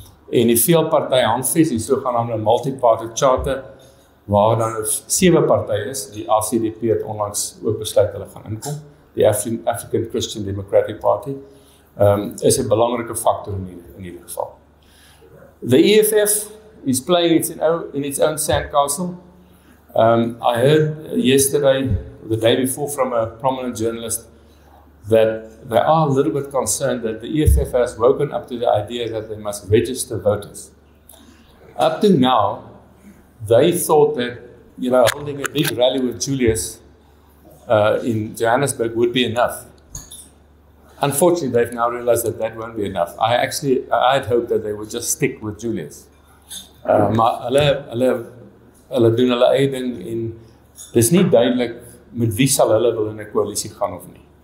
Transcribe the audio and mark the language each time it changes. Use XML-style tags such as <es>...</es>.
<af>En die veel partij handvest, die sogenaamde multi-party charter, waar dan 7 partij is, die ACDP het onlangs ook besluit hulle gaan inkom, die African Christian Democratic Party, is 'n belangrike factor in die geval.</af> <en>The EFF is playing in its own sandcastle. I heard yesterday, the day before, from a prominent journalist, that they are a little bit concerned that the EFF has woken up to the idea that they must register voters. Up to now, they thought that, you know, holding a big rally with Julius in Johannesburg would be enough. Unfortunately, they've now realized that that won't be enough. I had hoped that they would just stick with Julius.</en> <af>Hulle doen hulle eie ding en dis nie duidelik met wie sal hulle wil in 'n koalisie gaan of nie.</af>